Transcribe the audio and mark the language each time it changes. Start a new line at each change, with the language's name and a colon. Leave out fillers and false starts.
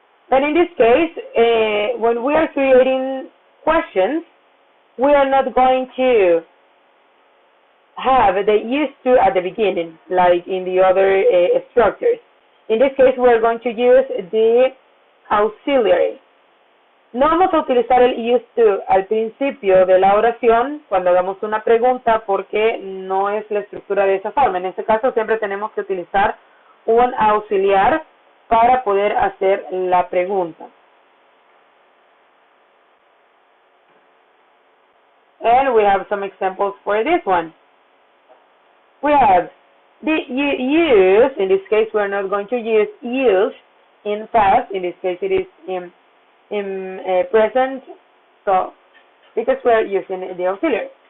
English: And in this case, when we are creating questions, we are not going to have the used to at the beginning, like in the other structures. In this case, we are going to use the auxiliary.
Spanish: No vamos a utilizar el used to al principio de la oración cuando hagamos una pregunta porque no es la estructura de esa forma. En este caso, siempre tenemos que utilizar un auxiliar para poder hacer la pregunta.
English: And we have some examples for this one. We have, did you use, in this case we're not going to use in past, in this case it is in present, so, because we're using the auxiliary.